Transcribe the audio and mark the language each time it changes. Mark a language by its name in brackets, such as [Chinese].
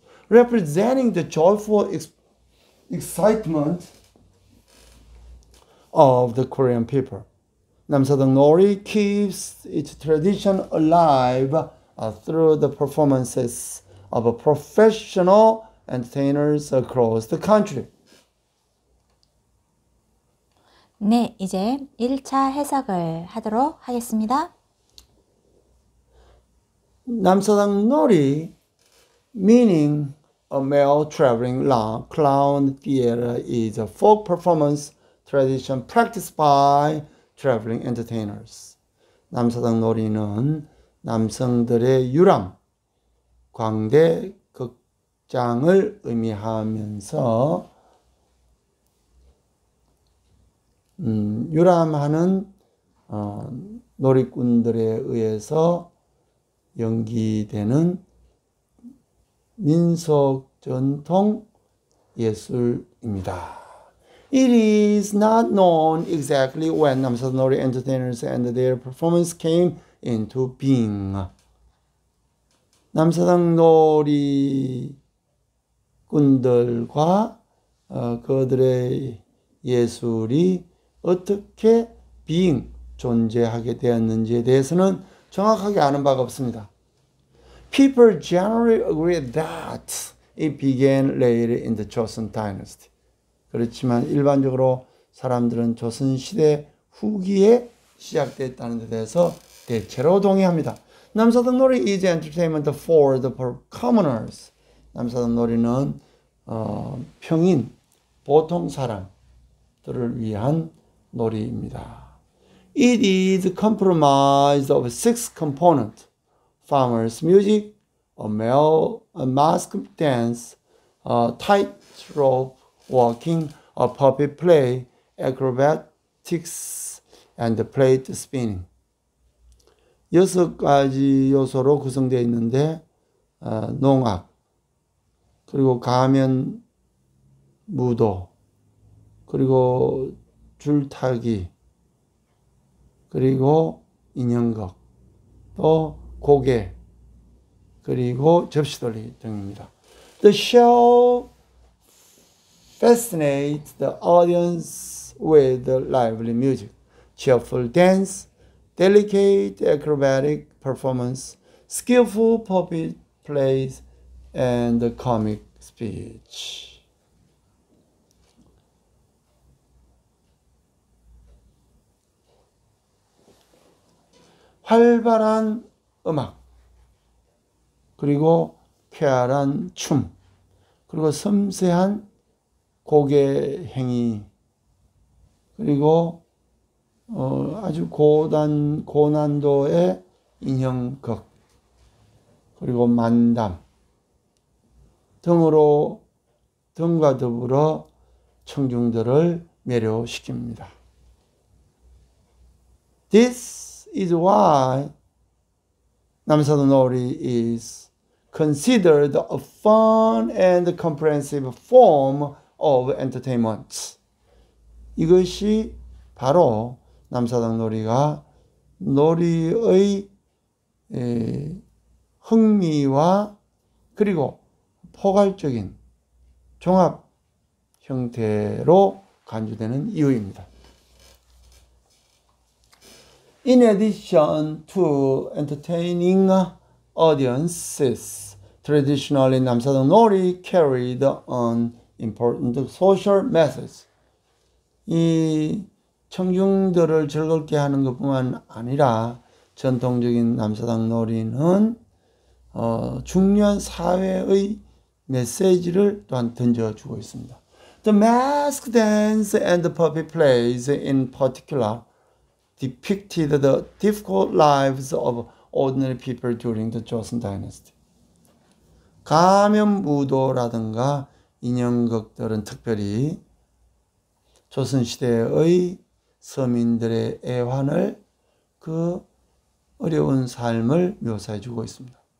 [English] Representing the joyful excitement of the Korean people, 남사당 놀이 keeps its tradition alive through the performances of professional entertainers across the country. [Korean] 네, 이제 1차 해석을 하도록 하겠습니다. [English] 남사당 놀이, meaning a male traveling clown theater, is a folk performance tradition practiced by traveling entertainers. [Korean] 남사당 놀이는 남성들의 유람, 광대 극장을 의미하면서 유람하는 놀이꾼들에 의해서 연기되는 민속 전통 예술입니다. [English] It is not known exactly when 남사당 놀이 entertainers and their performance came into being. [Korean] 남사당 놀이꾼들과 그들의 예술이 어떻게 being, 존재하게 되었는지에 대해서는 정확하게 아는 바가 없습니다. [English] People generally agree that it began later in the Joseon Dynasty. [Korean] 그렇지만 일반적으로 사람들은 조선 시대 후기에 시작됐다는 데 대해서 대체로 동의합니다. [English] 남사당 놀이 is entertainment for the commoners. [Korean] 남사당 놀이는 평인, 보통 사람들을 위한 놀이입니다. [English] It is comprised of six components: farmers' music, a mask dance, a tightrope walking, a puppet play, acrobatics, and plate spinning. [Korean] 여섯 가지 요소로 구성되어 있는데, 농악, 그리고 가면 무도, 그리고 줄타기, 그리고 인형극, 또 고개, 그리고 접시돌리 등입니다. [English] The show fascinates the audience with lively music, cheerful dance, delicate acrobatic performance, skillful puppet plays, and comic speech. [Korean] 활발한 음악, 그리고 쾌활한 춤, 그리고 섬세한 고개 행위, 그리고 아주 고난도의 인형극, 그리고 만담 등과 더불어 청중들을 매료시킵니다. [English] This is why 남사도놀이 is considered a fun and comprehensive form of entertainment. [Korean] 이것이 바로 남사당놀이가 놀이의 흥미와 그리고 포괄적인 종합 형태로 간주되는 이유입니다. [English] In addition to entertaining audiences, traditionally 남사당놀이 carried an important social message. [Korean] 이 청중들을 즐겁게 하는 것뿐만 아니라 전통적인 남사당 놀이는 중요한 사회의 메시지를 또한 던져주고 있습니다. [English] The mask dance and the puppy plays in particular depicted the difficult lives of ordinary people during the Joseon Dynasty. [Korean] 가면 무도라든가 인형극들은 특별히 조선시대의 서민들의 애환을 그 어려운 삶을 묘사해 주고 있습니다.